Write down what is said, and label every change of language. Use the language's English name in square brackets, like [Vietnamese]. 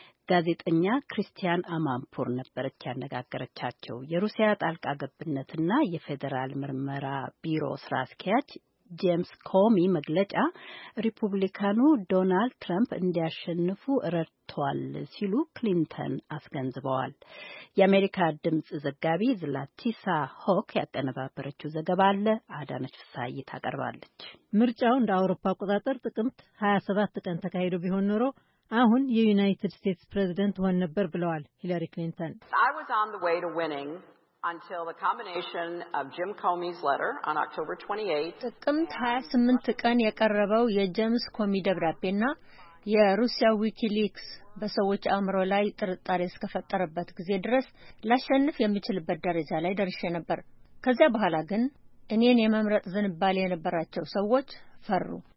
[Amharic] ጋዜጠኛ ክርስቲያን አማምፖር ነበረች ያነጋገረቻቸው። የሩሲያ ጣልቃ ገብነትና የፌደራል ምርመራ ቢሮ ስራ አስኪያጅ ጄምስ ኮሚ መግለጫ ሪፑብሊካኑ ዶናልድ ትራምፕ እንዲያሸንፉ ረድቷል ሲሉ ክሊንተን አስገንዝበዋል። የአሜሪካ ድምጽ ዘጋቢ ዝላቲሳ ሆክ ያቀነባበረችው ዘገባ አለ፣ አዳነች ፍሳይ ታቀርባለች። ምርጫው እንደ አውሮፓ አቆጣጠር ጥቅምት 27 ቀን ተካሂዶ ቢሆን ኖሮ አሁን የዩናይትድ ስቴትስ ፕሬዝዳንት ሆን ነበር ብለዋል ሂለሪ ክሊንተን። [English] I was on the way to winning until the combination of Jim Comey's letter on October 28th. [Amharic] ጥቅምት 28 ቀን የቀረበው የጀምስ ኮሚ ደብዳቤና የሩሲያ ዊኪሊክስ በሰዎች አእምሮ ላይ ጥርጣሬ እስከፈጠረበት ጊዜ ድረስ ላሸንፍ የምችልበት ደረጃ ላይ ደርሼ ነበር። ከዚያ በኋላ ግን እኔን የመምረጥ ዝንባሌ የነበራቸው ሰዎች ፈሩ።